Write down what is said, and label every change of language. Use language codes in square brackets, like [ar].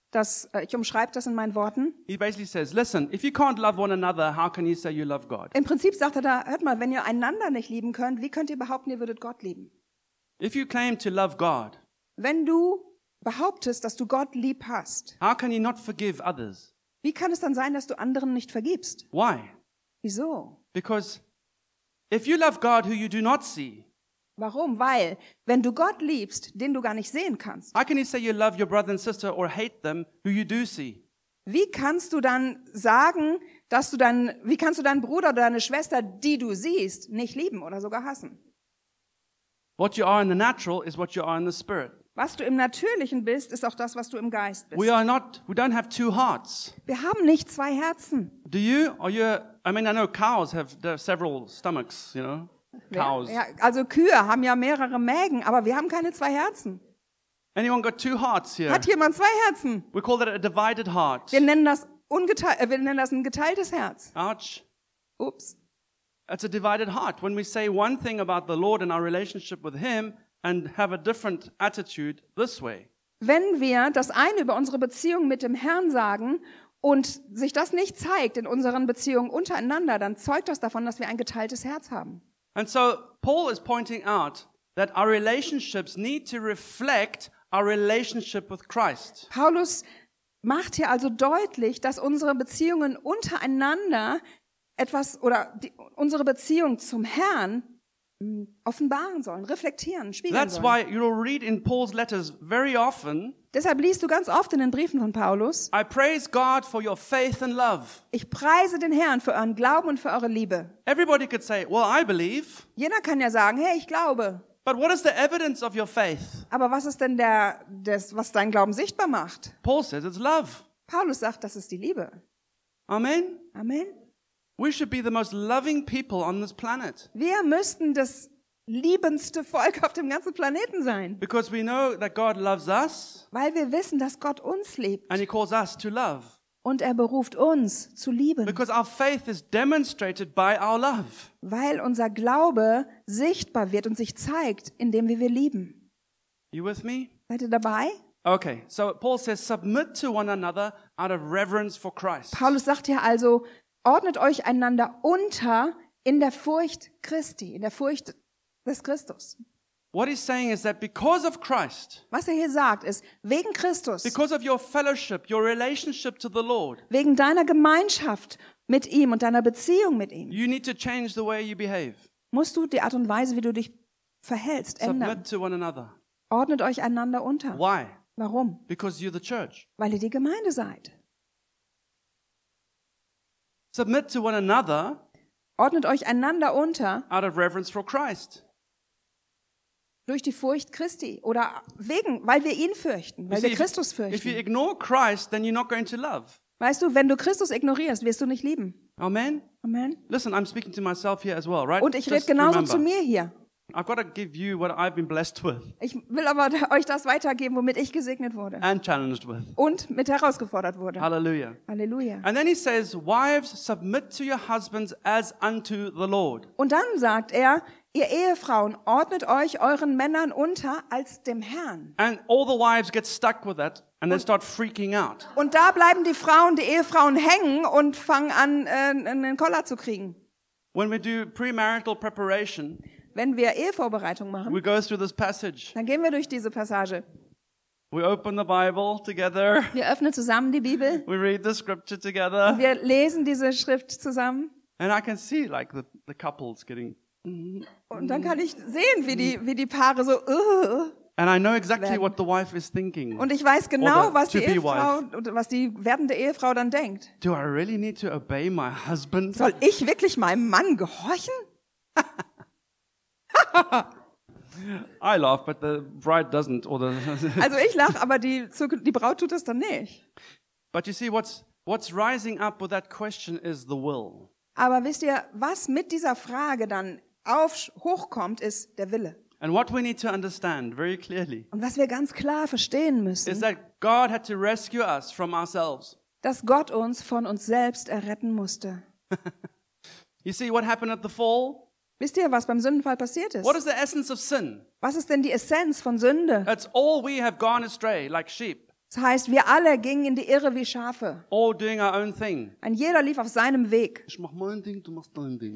[de] Das, ich umschreibe das in meinen Worten. [en] He basically says, listen, if you can't love one another, how can you say you love God? [de] Im Prinzip sagt er da, hört mal, wenn ihr einander nicht lieben könnt, wie könnt ihr behaupten, ihr würdet Gott lieben? [en] If you claim to love God, [de] wenn du behauptest, dass du Gott lieb hast, [en] how can you not forgive others? [de] Wie kann es dann sein, dass du anderen nicht vergibst? [en] Why? [de] Wieso? [en] Because if you love God who you do not see. [de] Warum? Weil wenn du Gott liebst, den du gar nicht sehen kannst. [en] How can you say you love your brother and sister or hate them who you do see? [de] Wie kannst du dann sagen, dass du dann wie kannst du deinen Bruder oder deine Schwester, die du siehst, nicht lieben oder sogar hassen? [en] What you are in the natural is what you are in the spirit. [de] Was du im Natürlichen bist, ist auch das, was du im Geist bist. [en] We are not, we don't have two hearts. [de] Wir haben nicht zwei Herzen. [en] Do you? Are you? I mean, I know cows have several stomachs, you know, cows. [de] Ja, also Kühe haben ja mehrere Mägen, aber wir haben keine zwei Herzen. [en] Anyone got two hearts here? [de] Hat jemand zwei Herzen? [en] We call that a divided heart. [de] Wir nennen das ein geteiltes Herz. [en] Ouch. Oops. It's a divided heart. When we say one thing about the Lord and our relationship with Him. And have a different attitude this way. [de] Wenn wir das eine über unsere Beziehung mit dem Herrn sagen und sich das nicht zeigt in unseren Beziehungen untereinander, dann zeugt das davon, dass wir ein geteiltes Herz haben. [en] And so Paul is pointing out that our relationships need to reflect our relationship with Christ. [de] Paulus macht hier also deutlich, dass unsere Beziehungen untereinander etwas oder unsere Beziehung zum Herrn offenbaren sollen, reflektieren, spiegeln [en] That's [de] sollen. [en] Why you'll read in Paul's letters very often. [de] Deshalb liest du ganz oft in den Briefen von Paulus. [en] I praise God for your faith and love. [de] Ich preise den Herrn für euren Glauben und für eure Liebe. [en] Everybody could say, well, I believe. [de] Jeder kann ja sagen, hey, ich glaube. [en] But what is the evidence of your faith? [de] Aber was ist denn das, was dein Glauben sichtbar macht? [en] Paul says it's love. [de] Paulus sagt, das ist die Liebe. [en] Amen. [de] Amen. [en] We should be the most loving people on this planet. [de] Wir müssten das liebendste Volk auf dem ganzen Planeten sein. [en] Because we know that God loves us. [de] Weil wir wissen, dass Gott uns liebt. [en] And he calls us to love. [de] Und er beruft uns zu lieben. [en] Because our faith is demonstrated by our love. [de] Weil unser Glaube sichtbar wird und sich zeigt, indem wir lieben. [en] You with me? [de] Seid ihr dabei? [en] Okay, so Paul says, submit to one another out of reverence for Christ. [de] Paulus sagt hier also, ordnet euch einander unter in der Furcht Christi, in der Furcht des Christus. [en] What he's saying is that because of Christ. [de] Was er hier sagt ist wegen Christus. [en] Because of your fellowship, your relationship to the Lord. [de] Wegen deiner Gemeinschaft mit ihm und deiner Beziehung mit ihm. [en] You need to change the way you behave. [de] Musst du die Art und Weise, wie du dich verhältst, ändern. [en] Submit to one another. [de] Ordnet euch einander unter. [en] Why? [de] Warum? [en] Because you're the church. [de] Weil ihr die Gemeinde seid. [en] Submit to one another. [de] Ordnet euch einander unter. [en] Out of reverence for Christ. [de] Durch die Furcht Christi oder wegen, weil wir ihn fürchten, weil wir Christus fürchten. [en] If you ignore Christ, then you're not going to love. [de] Weißt du, wenn du Christus ignorierst, wirst du nicht lieben. [en] Amen. [de] Amen. [en] Listen, I'm speaking to myself here as well, right? [de] Und ich rede genauso zu mir hier. [en] I've got to give you what I've been blessed with. [de] Ich will aber euch das weitergeben, womit ich gesegnet wurde. [en] And challenged with. [de] Und mit herausgefordert wurde. [en] Hallelujah. [de] Halleluja. [en] And then he says, wives, submit to your husbands as unto the Lord. [de] Und dann sagt er, ihr Ehefrauen, ordnet euch euren Männern unter als dem Herrn. [en] And all the wives get stuck with that and they start freaking out. [de] Und da bleiben die Ehefrauen hängen und fangen an, einen Koller zu kriegen. [en] When we do premarital preparation, [de] wenn wir Ehevorbereitung machen, [en] we go through this passage. [de] Dann gehen wir durch diese Passage. [en] We open the Bible together. [de] Wir öffnen zusammen die Bibel. [en] We read the scripture together. [de] Wir lesen diese Schrift zusammen. [en] And I can see like the couples getting. [de] Und dann kann ich sehen, wie die Paare so. [en] And I know exactly what the wife is thinking. [de] Und ich weiß genau, was die werdende Ehefrau dann denkt. [en] Do I really need to obey my husband? [de] Soll ich wirklich meinem Mann gehorchen? [en] I laugh, but the bride doesn't. Or the [de] also ich lache, aber die Braut tut es dann nicht. [en] But you see, what's rising up with that question is the will. [de] Aber wisst ihr, was mit dieser Frage dann hochkommt, ist der Wille. [en] And what we need to understand very clearly. [de] Und was wir ganz klar verstehen müssen, [en] is that God had to rescue us from ourselves. [de] Dass Gott uns von uns selbst erretten musste. [en] You see what happened at the fall? [de] Wisst ihr, was beim Sündenfall passiert ist? [en] What is the essence of sin? [de] Was ist denn die Essenz von Sünde? [en] It's all we have gone astray like sheep. [de] Das heißt, wir alle gingen in die Irre wie Schafe. [en] All doing our own thing. [de] Und jeder lief auf seinem Weg. Ich mach mein Ding, du machst dein Ding.